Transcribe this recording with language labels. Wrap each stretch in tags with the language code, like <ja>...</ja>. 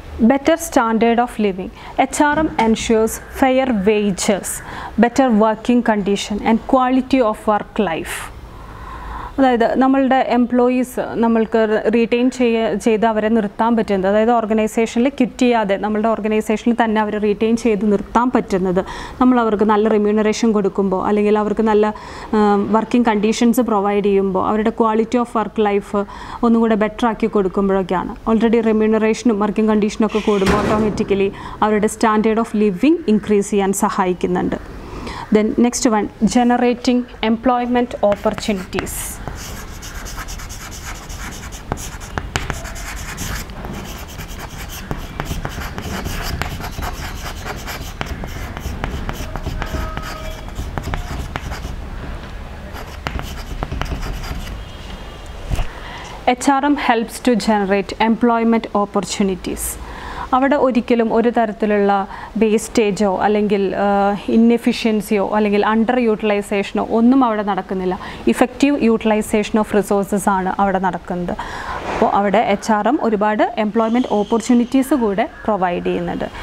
<en>Better standard of living. HRM ensures fair wages, better working condition and quality of work life.</en> <ml>അതായത് നമ്മളുടെ employees നമ്മൾക്ക് retain ചെയ്ത് അവരെ നിർത്താൻ പറ്റുന്നത്, അതായത് ഓർഗനൈസേഷനിൽ ക്വിറ്റ് ചെയ്യാതെ നമ്മളുടെ ഓർഗനൈസേഷനിൽ തന്നെ അവരെ റീറ്റെയിൻ ചെയ്ത് നിർത്താൻ പറ്റുന്നത് നമ്മൾ അവർക്ക് നല്ല റിമ്യൂണറേഷൻ കൊടുക്കുമ്പോൾ അല്ലെങ്കിൽ അവർക്ക് നല്ല വർക്കിംഗ് കണ്ടീഷൻസ് പ്രൊവൈഡ് ചെയ്യുമ്പോൾ, അവരുടെ ക്വാളിറ്റി ഓഫ് വർക്ക് ലൈഫ് ഒന്നും കൂടെ ബെറ്റർ ആക്കി കൊടുക്കുമ്പോഴൊക്കെയാണ്. ഓൾറെഡി റിമ്യൂണറേഷനും വർക്കിംഗ് കണ്ടീഷനൊക്കെ കൂടുമ്പോൾ ഓട്ടോമാറ്റിക്കലി അവരുടെ സ്റ്റാൻഡേർഡ് ഓഫ് ലിവിങ് ഇൻക്രീസ് ചെയ്യാൻ സഹായിക്കുന്നുണ്ട്.</ml> <en>Then next one generating employment opportunities. HRM helps to generate employment opportunities.</en> <ml>അവിടെ ഒരിക്കലും ഒരു തരത്തിലുള്ള വേസ്റ്റേജോ അല്ലെങ്കിൽ ഇന്നെഫിഷ്യൻസിയോ അല്ലെങ്കിൽ അണ്ടർ യൂട്ടിലൈസേഷനോ ഒന്നും അവിടെ നടക്കുന്നില്ല.</ml> <en>effective utilization of resources</en> <ml>ആണ് അവിടെ നടക്കുന്നത്. അപ്പോൾ അവിടെ HRM ഒരുപാട് എംപ്ലോയ്മെൻറ്റ് ഓപ്പർച്യൂണിറ്റീസ് കൂടെ പ്രൊവൈഡ് ചെയ്യുന്നുണ്ട്.</ml>